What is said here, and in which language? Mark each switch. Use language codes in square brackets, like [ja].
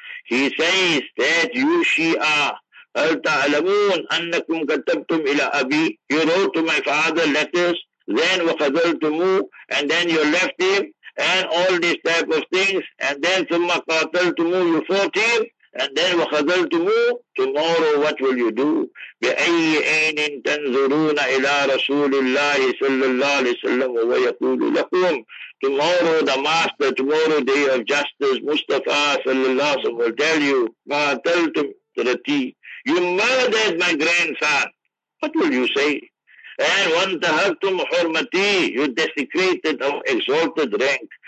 [en] He says that you Shia, [ar] al ta'alamun annakum katabtum ila abi, [en] you wrote to my father letters, then waqadaltumu, and then you left him, and all these type of things, and then thumma qataltumu, you fought him, and then waqadaltumu, tomorrow what will you do? [ar] بأي عين تنظرون إلى رسول الله صلى الله عليه وسلم ويقول لكم. [en] Tomorrow the master, tomorrow day of justice, Mustafa صلى الله عليه وسلم will tell you, [ar] قاتلتم رتي, [en] you murdered my grandson. What will you say? And [ar] وانتهكتم حرمتي, [en] you desecrated our exalted rank.